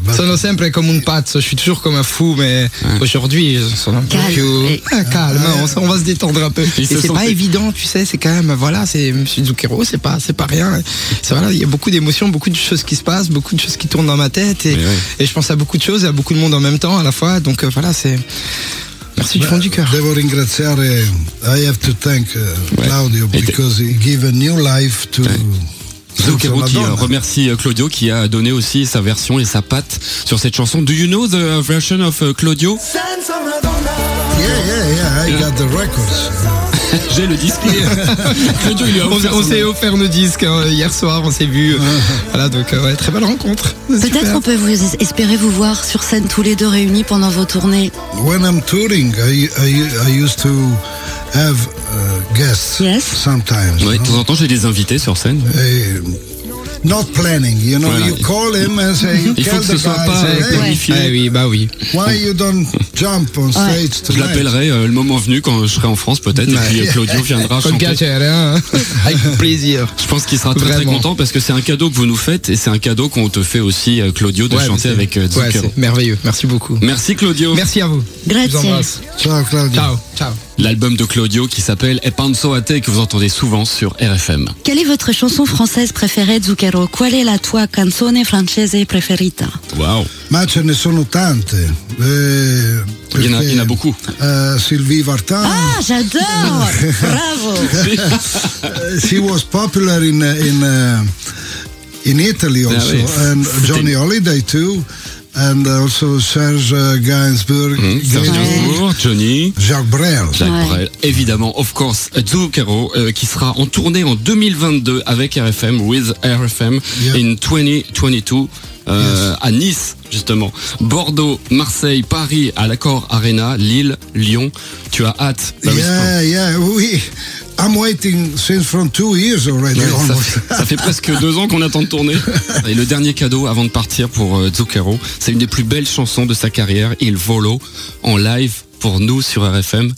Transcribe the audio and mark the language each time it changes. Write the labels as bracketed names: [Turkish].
[Italian] Sono sempre come un pazzo, [French] je suis toujours comme un fou, mais aujourd'hui, je suis un peu calme, on va se détendre un peu. Évident, tu sais, c'est quand même, voilà, c'est Monsieur Zucchero, c'est pas rien. C'est, voilà, il y a beaucoup d'émotions, beaucoup de choses qui se passent, beaucoup de choses qui tournent dans ma tête, et je pense à beaucoup de choses et à beaucoup de monde en même temps à la fois, donc voilà, c'est. Merci du fond du cœur. [Italian] Devo ringraziare, [English] I have to thank Claudio because he gave a new life to. [French] Zucchero qui remercie Claudio qui a donné aussi sa version et sa patte sur cette chanson. [English] Do you know the version of Claudio? Yeah, I got the records. [French] J'ai le disque. Claudio, on s'est offert le disque hier soir, on s'est vu. Voilà, donc ouais, très belle rencontre. Peut-être on peut vous espérer vous voir sur scène tous les deux réunis pendant vos tournées. [English] When I'm touring, I used to have guests sometimes. [French] Oui, de temps en temps, j'ai des invités sur scène. [English] Not planning, you know, voilà. You call him and say, you [French] il faut [English] tell [French] que ce soit pas planifié. Ah oui, bah oui. [English] Why you don't jump on stage tonight? [French] Je l'appellerai le moment venu quand je serai en France, peut-être, et puis Claudio viendra chanter. Comme gâcher, hein. Avec plaisir. Je pense qu'il sera très très content parce que c'est un cadeau que vous nous faites et c'est un cadeau qu'on te fait aussi, Claudio, de chanter avec Zucchero. Ouais, c'est merveilleux. Merci beaucoup. Merci Claudio. Merci à vous. [Italian] Grazie. Ciao Claudio. Ciao. [French] L'album de Claudio qui s'appelle E Penso a Te, que vous entendez souvent sur RFM. Quelle est votre chanson française préférée, Zucchero? [Italian] Qual è la tua canzone francese preferita? [English] Wow. [Italian] Ma ce ne sono tante. [French] Il y en a beaucoup. Sylvie Vartan. Ah, j'adore. Bravo. [English] She was popular in Italy also. [French] Ah, oui. [English] And Johnny Holiday too. And also Serge Gainsbourg, Johnny, Jacques Brel, [French] évidemment, [English] of course, [French] Zucchero, qui sera en tournée en 2022 avec RFM, [English] with RFM, in 2022. [French] à Nice, justement. Bordeaux, Marseille, Paris, à l'Accor Arena, Lille, Lyon. Tu as hâte. Oui. [English] I'm waiting since from 2 years already. [French] Ouais, ça fait presque 2 ans qu'on attend de tourner. Et le dernier cadeau avant de partir pour Zucchero, c'est une des plus belles chansons de sa carrière, Il Volo, en live pour nous sur RFM.